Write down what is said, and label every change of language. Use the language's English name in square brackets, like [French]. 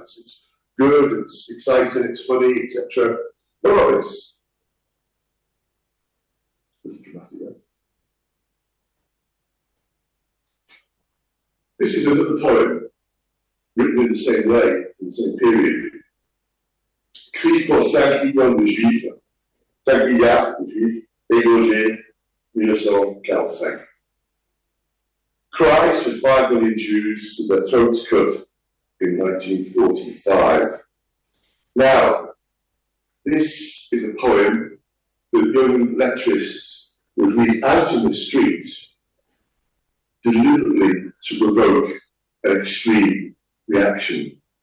[English] It's good, it's exciting, it's funny, etc. But what about this? This is another poem written in the same way, in the same period. [French] Crie pour 5 millions de juifs, 5 milliards de juifs, égorgés, 1945. [English] Cries for 5 million Jews with their throats cut in 1945. Now, this is a poem that young lecturists would read out in the streets deliberately to provoke an extreme reaction.